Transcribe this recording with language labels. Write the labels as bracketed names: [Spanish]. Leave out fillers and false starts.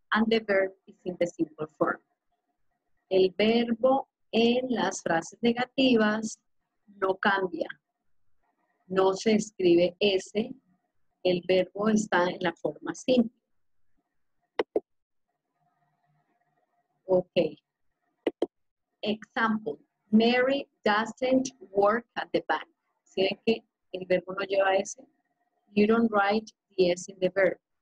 [English] And the verb is in the simple form. [Spanish] El verbo en las frases negativas no cambia. No se escribe S. El verbo está en la forma simple. [English] Ok. Example. Mary doesn't work at the bank. [Spanish] ¿Sí ven que el verbo no lleva S? [English] You don't write the S in the verb.